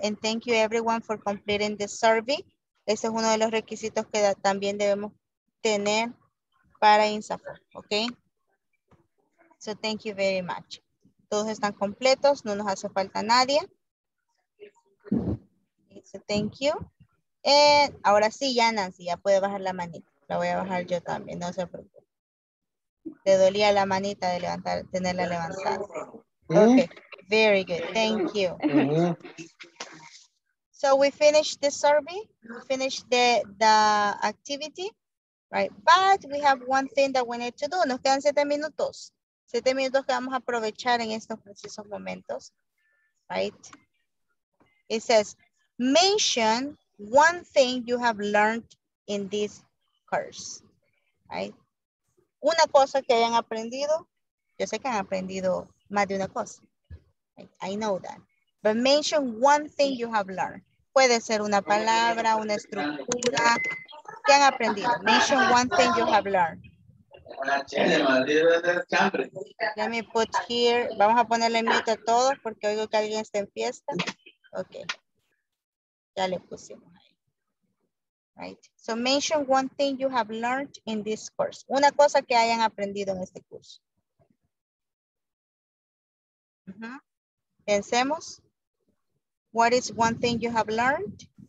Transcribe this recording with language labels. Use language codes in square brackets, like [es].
[en] And thank you everyone for completing the survey. [es] Ese es uno de los requisitos que también debemos tener para INSAFOR, ¿ok? [en] So thank you very much. [es] Todos están completos, no nos hace falta nadie. [en] So thank you. And [es] ahora sí, ya Nancy, ya puede bajar la manita. La voy a bajar yo también, no se preocupe. Te dolía la manita de levantar, tenerla levantada. [en] Okay, very good, thank you. So we finished the survey, we finished the activity, right? But we have one thing that we need to do. [es] Nos quedan 7 minutos. 7 minutos que vamos a aprovechar en estos precisos momentos, right? [en] It says, mention one thing you have learned in this course, right? [es] Una cosa que hayan aprendido, yo sé que han aprendido más de una cosa. [en] I know that. But mention one thing you have learned. [es] Puede ser una palabra, una estructura. ¿Qué han aprendido? [en] Mention one thing you have learned. Let me put here, [es] vamos a ponerle mute a todos porque oigo que alguien está en fiesta. Ok. Ya le pusimos. Right. [en] So mention one thing you have learned in this course. [es] Una cosa que hayan aprendido en este curso. [en] Pensemos. What is one thing you have learned?